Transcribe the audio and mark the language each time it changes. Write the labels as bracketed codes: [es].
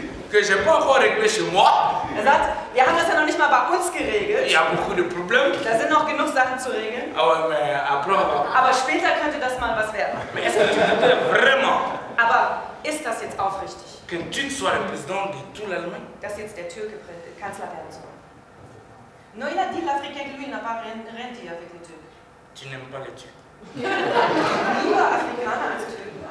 [fr] Que j'ai pas encore réglé chez moi. [de] Er sagt, wir haben das ja noch nicht mal bei uns geregelt. [fr] Il y a beaucoup de problèmes. [de] Da sind noch genug Sachen zu regeln. Aber später könnte das mal was werden. [fr] Mais est-ce que tu veux vraiment? [de] Aber ist das jetzt aufrichtig? [fr] Que tu sois le président de tout l'Allemagne? [de] Dass jetzt der Türke Kanzler werden soll. [fr] No, il a dit l'Africain que lui n'a pas rentré avec les Türken. Tu n'aimes pas les Türken. [de] Lieber Afrikaner als Türken.